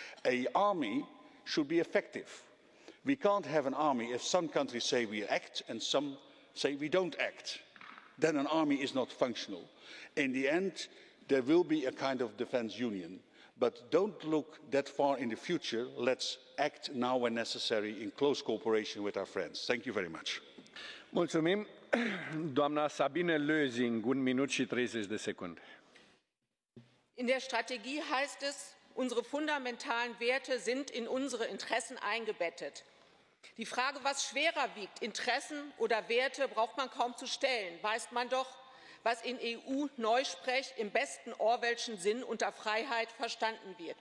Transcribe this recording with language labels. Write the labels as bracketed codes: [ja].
[en] An army should be effective. We can't have an army if some countries say we act and some say we don't act, then an army is not functional. In the end, there will be a kind of defense union. But don't look that far in the future. Let's act now when necessary in close cooperation with our friends. Thank you very much. [ro] Mulțumim. Doamna Sabine Lösing, 1 minut și 30 de secunde. [de] In der Strategie heißt es, unsere fundamentalen Werte sind in unsere Interessen eingebettet. Die Frage, was schwerer wiegt, Interessen oder Werte, braucht man kaum zu stellen. Weiß man doch, was in EU-Neusprech im besten Orwellschen Sinn unter Freiheit verstanden wird.